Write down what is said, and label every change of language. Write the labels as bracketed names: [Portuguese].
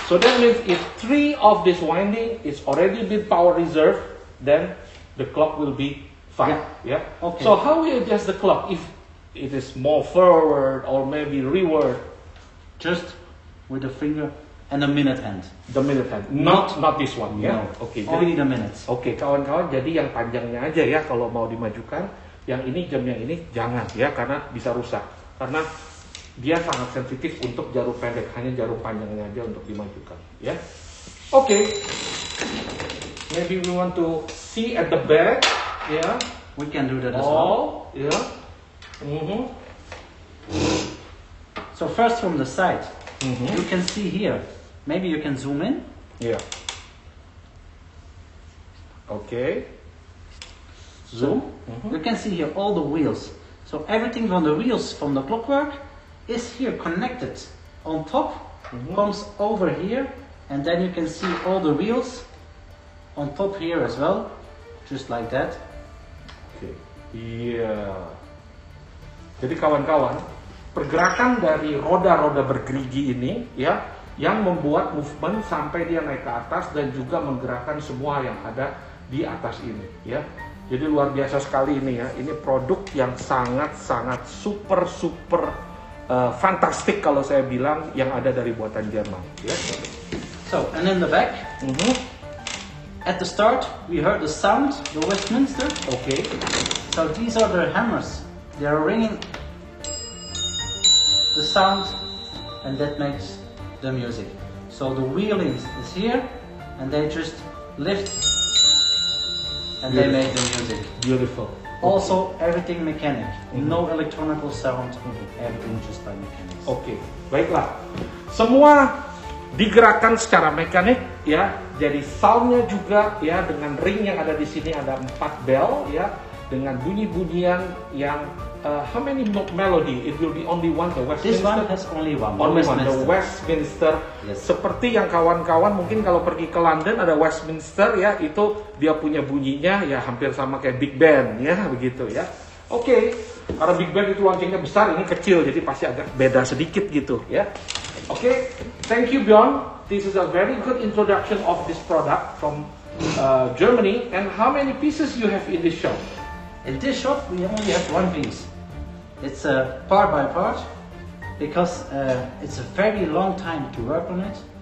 [English] So that means if three of this winding is already been power reserve, then the clock will be fine. Yeah. Yeah. Okay. So how we adjust the clock if it is more forward or maybe reward? Just with the finger and the minute hand. The minute hand. Not this one. Yeah. No. Okay. Only the minutes. [Indonesian] Okay, kawan-kawan. Jadi yang panjangnya aja ya kalau mau dimajukan. Yang ini jamnya ini jangan ya karena bisa rusak. Karena dia sangat sensitif untuk jarum pendek, hanya jarum panjangnya aja untuk dimajukan, ya. Oke. Okay. [English] Maybe we want to see at the back, ya. Yeah. We can do that as well. Yeah. Mm-hmm. So first from the side, mm-hmm. You can see here. Maybe you can zoom in. Yeah. Okay. Zoom. So, mm-hmm. You can see here all the wheels. So everything from the wheels from the clockwork is here connected on top, mm-hmm. comes over here, and then you can see all the wheels on top here as well, just like that. Okay. Yeah. [Indonesian] Jadi kawan-kawan, pergerakan dari roda-roda bergerigi ini ya, yang membuat movement sampai dia naik ke atas dan juga menggerakkan semua yang ada di atas ini ya. Jadi luar biasa sekali ini ya. Ini produk yang sangat-sangat super-super fantastik kalau saya bilang yang ada dari buatan Jerman. Ya. [English] So, and in the back, mm-hmm. at the start, we heard the sound, the Westminster. Okay. So these are the hammers. They are ringing the sound, and that makes the music. So the wheeling is here, and they just lift. And beautiful. They made the music. Beautiful. Also, okay. Everything mechanic. Mm-hmm. No electronical sound. Mm-hmm. Everything just by mechanics. [Indonesian] Okay. Baiklah. Semua digerakkan secara mekanik, ya. Jadi soundnya juga, ya. Dengan ring yang ada di sini ada 4 bell, ya. Dengan bunyi-bunyian yang [English] how many melody? It will be only one. The Westminster. This one has only one. Only one. The Westminster. Yes. [Indonesian] Seperti yang kawan-kawan mungkin kalau pergi ke London ada Westminster ya, itu dia punya bunyinya ya hampir sama kayak Big Ben ya begitu ya. Oke, okay. Karena Big Ben itu loncengnya besar, ini kecil, jadi pasti agak beda sedikit gitu ya. [English] Oke, okay. Thank you Bjorn. This is a very good introduction of this product from Germany. And how many pieces you have in this shop? In this shop, we only have one piece. It's a part by part, because it's a very long time to work on it.